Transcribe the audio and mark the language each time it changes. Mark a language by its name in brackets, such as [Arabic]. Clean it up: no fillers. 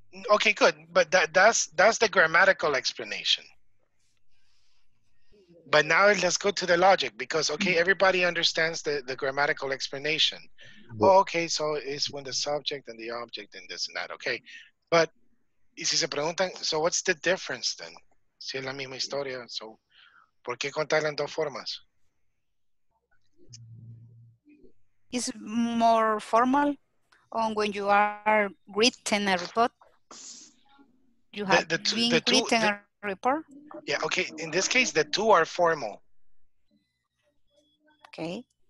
[English] Okay, good. But that's the grammatical explanation. But now let's go to the logic, because okay, everybody understands the grammatical explanation. Well, okay, so it's when the subject and the object and this and that, okay. But, [Spanish] y si se preguntan, [English] so what's the difference then? [Spanish] Si es la misma historia, so, ¿por qué contarla en dos formas? [English] It's more formal on when you are written a report. You have written a report. Yeah, okay, in this case, the two are formal. Okay.